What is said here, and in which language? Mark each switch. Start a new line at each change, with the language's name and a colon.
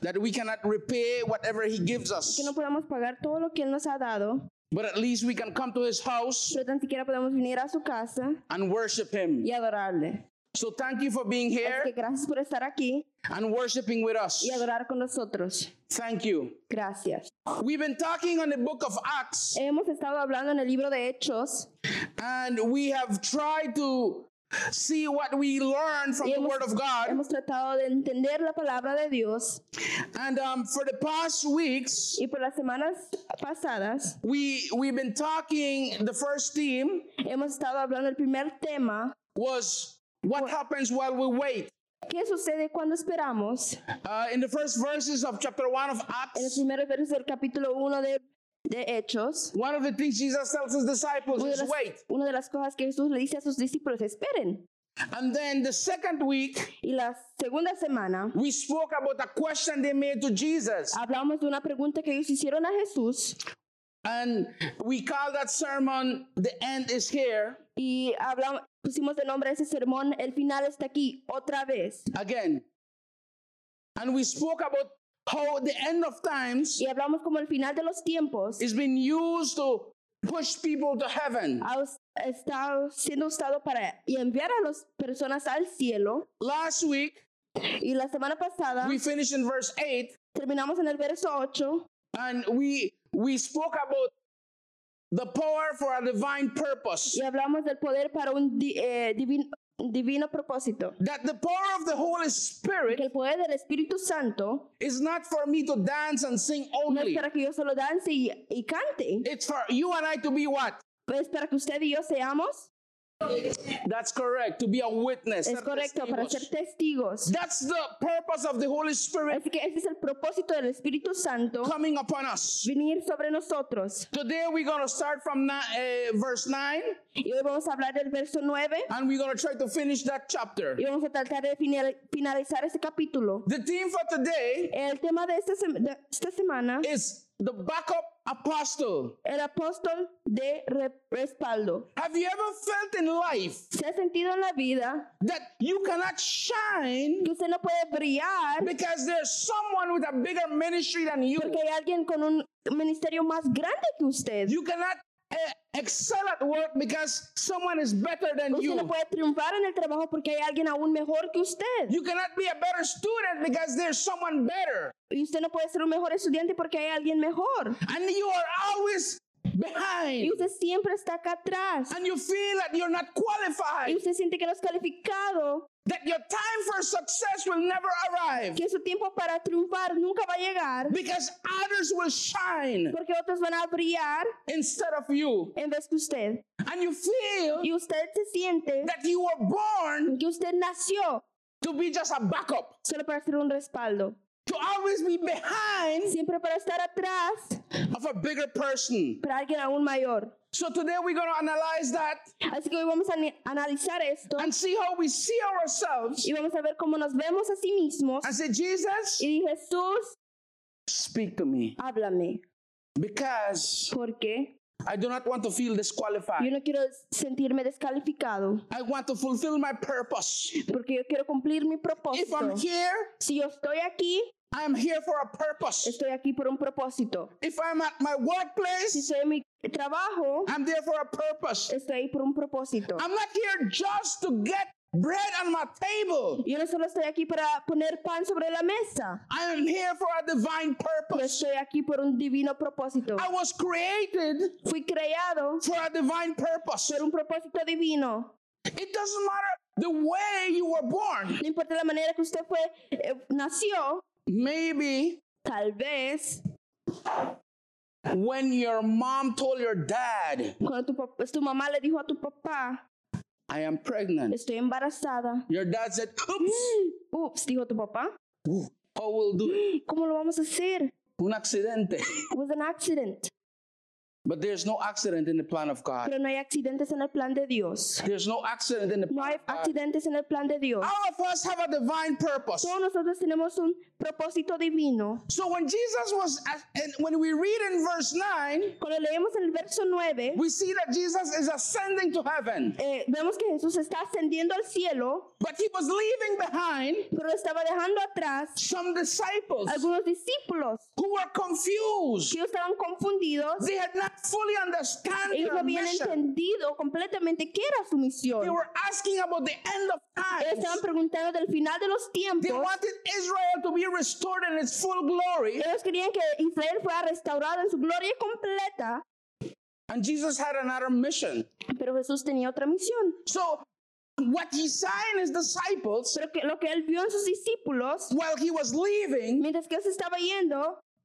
English: That we cannot repay whatever he gives us.
Spanish: Que no podamos pagar todo lo que él nos ha dado.
English: But at least we can come to his house.
Spanish: Pero tan siquiera podemos venir a su casa.
English: And worship him.
Spanish: Y adorarle.
English: So thank you for being here.
Spanish: Es que gracias por estar aquí.
English: And worshiping with us.
Spanish: Y adorar con nosotros.
English: Thank you.
Spanish: Gracias.
English: We've been talking on the book of Acts.
Spanish: Hemos estado hablando en el libro de Hechos.
English: And we have tried to see what we learn from the Word of God.
Spanish: Hemos tratado de entender la palabra de Dios.
English: And for the past weeks,
Spanish: y por las semanas pasadas,
English: we've been talking. The first theme,
Spanish: hemos estado hablando el primer tema,
English: was what happens while we wait.
Spanish: ¿Qué sucede cuando esperamos?
English: In the first verses of chapter 1 of Acts,
Spanish: en los primeros versos del capítulo 1 de Hechos,
English: one of the things Jesus tells his disciples is wait.
Spanish: Una de las cosas que Jesús le dice a sus discípulos, esperen.
English: And then the second week,
Spanish: y la segunda semana,
English: we spoke about a question they made to Jesus.
Spanish: Hablamos de una pregunta que ellos hicieron a Jesús.
English: And we call that sermon, "The End Is Here."
Spanish: Y pusimos de nombre a ese sermón, "El Final Está Aquí, Otra Vez."
English: Again. And we spoke about how the end of times,
Spanish: y hablamos como el final de los tiempos,
English: is being used to push people to heaven.
Spanish: Está siendo usado para enviar a las personas al cielo.
English: Last week,
Spanish: y la semana pasada,
English: we finished in verse 8,
Spanish: terminamos en el verso 8,
English: and we spoke about the power for a divine purpose.
Spanish: Y hablamos del poder para un divino propósito.
English: That the power of the Holy Spirit,
Spanish: que el poder del Espíritu Santo,
English: is not for me to dance and sing only.
Spanish: No es para que yo solo dance y cante.
English: It's for you and I to be what?
Spanish: Pues para que usted y yo seamos.
English: That's correct. To be a witness.
Spanish: Es correcto, para ser testigos.
English: That's the purpose of the Holy Spirit.
Spanish: Así que ese es el propósito del Espíritu Santo.
English: Coming upon us.
Spanish: Venir sobre nosotros.
English: Today we're going to start from verse 9.
Spanish: Y hoy vamos a hablar del verso 9.
English: And we're going to try to finish that chapter.
Spanish: Y vamos a tratar de finalizar ese capítulo.
English: The theme for today,
Spanish: el tema de esta semana,
English: is the backup apostle.
Spanish: El apóstol de respaldo.
English: Have you ever felt in life,
Spanish: se ha sentido en la vida,
English: that you cannot shine,
Spanish: que usted no puede brillar,
English: because there's someone with a bigger ministry than you?
Spanish: Porque hay alguien con un ministerio más grande que usted.
English: You cannot excel at work because someone is better than
Spanish: usted
English: you.
Spanish: Usted no puede triunfar en el trabajo porque hay alguien aún mejor que usted.
English: You cannot be a better student because there's someone better.
Spanish: Y usted no puede ser un mejor estudiante porque hay alguien mejor.
English: And you are always behind.
Spanish: Y usted siempre está acá atrás.
English: And you feel that you're not qualified.
Spanish: Y usted siente que no es calificado.
English: That your time for success will never arrive.
Spanish: Que su tiempo para triunfar nunca va a llegar.
English: Because others will shine.
Spanish: Porque otros van a brillar.
English: Instead of you.
Spanish: En vez que usted.
English: And you feel.
Spanish: Y usted se siente.
English: That you were born.
Spanish: Que usted nació.
English: To be just a backup.
Spanish: Solo para ser un respaldo.
English: To always be behind.
Spanish: Siempre para estar atrás.
English: Of a bigger person.
Spanish: Para alguien aún mayor.
English: So today we're going to analyze that.
Spanish: Así que hoy vamos a analizar esto.
English: And see how we see ourselves.
Spanish: Y vamos a ver cómo nos vemos a sí mismos.
English: And say, Jesus.
Spanish: Y dije, Jesús.
English: Speak to me.
Spanish: Háblame.
English: Because.
Spanish: ¿Por qué?
English: I do not want to feel disqualified.
Spanish: Yo no quiero sentirme descalificado.
English: I want to fulfill my purpose.
Spanish: Porque yo quiero cumplir mi propósito.
English: If I'm here.
Spanish: Si yo estoy aquí.
English: I'm here for a purpose.
Spanish: Estoy aquí por un propósito.
English: If I'm at my workplace.
Spanish: Si estoy en mi trabajo.
English: I'm there for a purpose.
Spanish: Estoy ahí por un propósito.
English: I'm not here just to get bread on my table.
Spanish: Yo no solo estoy aquí para poner pan sobre la mesa.
English: I am here for a divine purpose.
Spanish: Pero estoy aquí por un divino propósito.
English: I was created.
Spanish: Fui creado.
English: For a divine purpose.
Spanish: Por un propósito divino.
English: It doesn't matter the way you were born.
Spanish: No importa la manera que usted fue nació.
English: Maybe.
Spanish: Tal vez.
English: When your mom told your dad.
Spanish: Cuando tu mamá le dijo a tu papá.
English: I am pregnant.
Spanish: Estoy embarazada.
English: Your dad said, oops.
Spanish: Oops, dijo tu papá.
English: How will do it?
Spanish: ¿Cómo lo vamos a hacer? Un accidente.
English: It was an accident. But there's no accident in the plan of God.
Spanish: Pero no hay accidentes en el plan de Dios.
English: There's no accident in the
Spanish: plan. No hay accidentes en el plan de Dios.
English: All of us have a divine purpose.
Spanish: Todos nosotros tenemos un propósito divino.
English: So when Jesus was and when we read in verse 9,
Spanish: cuando leemos en el verso 9,
English: we see that Jesus is ascending to heaven.
Spanish: Vemos que Jesús está ascendiendo al cielo.
English: But he was leaving behind,
Spanish: pero estaba dejando atrás,
English: some disciples,
Spanish: algunos discípulos,
English: who were confused.
Spanish: Que estaban confundidos.
English: They had not fully understand
Spanish: ellos
English: their mission.
Spanish: Entendido completamente qué era su misión.
English: They were asking about the end of times.
Spanish: Ellos estaban preguntando del final de los tiempos.
English: They wanted Israel to be restored in its full glory.
Spanish: Ellos querían que Israel fuera restaurado en su gloria completa.
English: And Jesus had another mission.
Spanish: Pero Jesús tenía otra misión.
English: So what he saw in his disciples,
Spanish: pero que, lo que él vio en sus discípulos,
English: while he was leaving,
Spanish: mientras que él se estaba yendo,